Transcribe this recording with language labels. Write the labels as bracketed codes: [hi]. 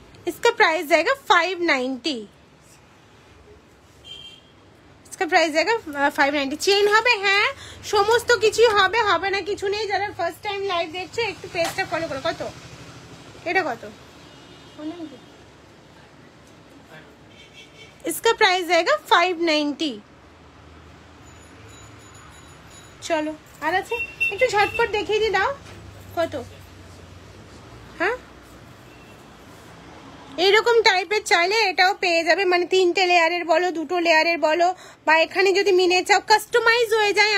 [hi] इसका प्राइस जाएगा 590। इसका प्राइस जाएगा 590। [bn] चेन হবে? হ্যাঁ, সমস্ত কিছু হবে, হবে না কিছু নেই। যারা ফার্স্ট টাইম লাইভ দেখছে একটু পেজটা ফলো করো। কত এটা? কত [hi] इसका प्राइस जाएगा 590। [bn] চলো আর আছে, একটু ঝটপট দেখিয়ে দি দাও কত। হ্যাঁ এইরকম টাইপের চাইলে এটাও পেয়ে যাবে, মানে তিনটে লেয়ারের বলো, দুটো লেয়ারের বলো, বা এখানে যদি মিনে চাও কাস্টমাইজ হয়ে যায়।